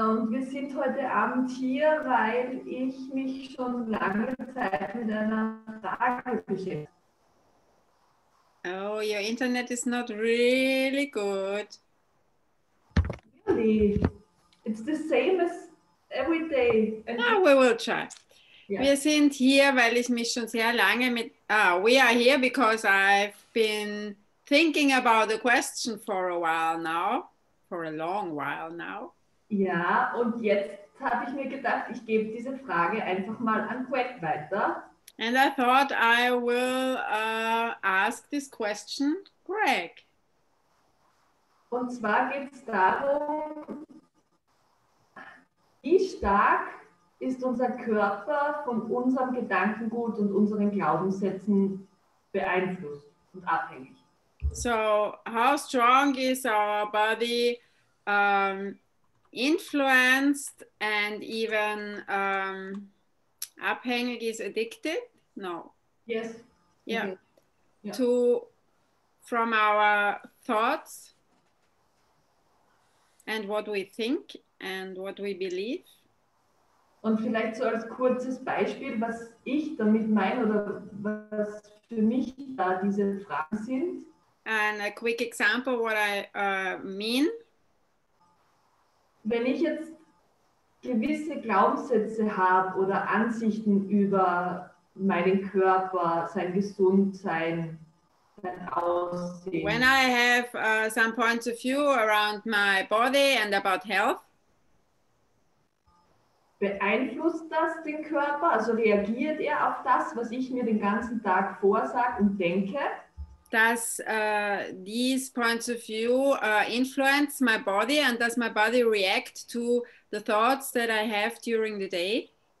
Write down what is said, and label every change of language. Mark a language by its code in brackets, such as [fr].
[de] Wir sind heute Abend hier, weil ich mich schon lange Zeit mit einer Frage beschäftige. [en] Oh, your internet is not really good. Really? It's the same as every day. No, we will try. Yeah. [de] Wir sind hier, weil ich mich schon sehr lange mit... [en] we are here because I've been thinking about the question for a while now. For a long while now. [de] Ja, und jetzt habe ich mir gedacht, ich gebe diese Frage einfach mal an Greg weiter. [en] And I thought I will ask this question, Greg. [de] Und zwar geht es darum, wie stark ist unser Körper von unserem Gedankengut und unseren Glaubenssätzen beeinflusst und abhängig? [en] So, how strong is our body influenced and even abhängig is addicted? No. Yes. Yeah. Yeah. To, from our thoughts and what we think and what we believe. [de] Und vielleicht so als kurzes Beispiel, was ich damit meine oder was für mich da diese Fragen sind. [en] And a quick example, what I mean. [de] Wenn ich jetzt gewisse Glaubenssätze habe oder Ansichten über meinen Körper, sein Gesundsein, sein Aussehen. [en] When I have some points of view around my body and about health. [de] Beeinflusst das den Körper? Also reagiert er auf das, was ich mir den ganzen Tag vorsage und denke? [en] Does these points of view influence my body and does my body react to the thoughts that I have during the day?